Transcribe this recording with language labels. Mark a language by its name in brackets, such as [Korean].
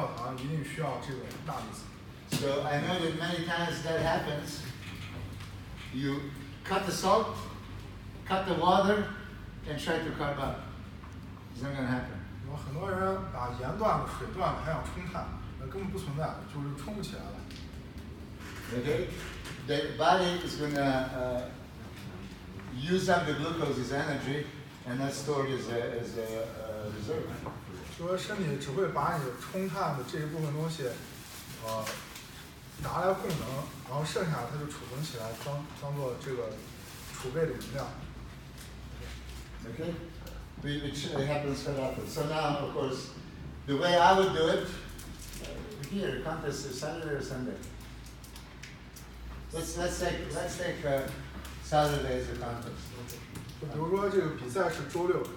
[Chinese] 你说储存糖，形成糖原一定需要水分。那你去转运葡萄糖，一定需要这个钠离子。So [English] I know that many times that happens. You cut the salt, cut the water, and try to carb up. It's not gonna happen. [Chinese] 有很多人把盐断了，水断了，还想冲碳，那根本不存在，就是冲不起来了。Okay, [English] the body is gonna use up the glucose as energy, and that's stored as a reserve. [Chinese] 说身体只会把你冲碳的这一部分东西，拿来供能，然后剩下它就储存起来，当做这个储备的能量。 [English] Okay, which happens quite often. So now, of course, the way I would do it, here, contest is Saturday or Sunday? Let's take Saturday as a contest. Okay. But Uruguay is a contest, it's Monday.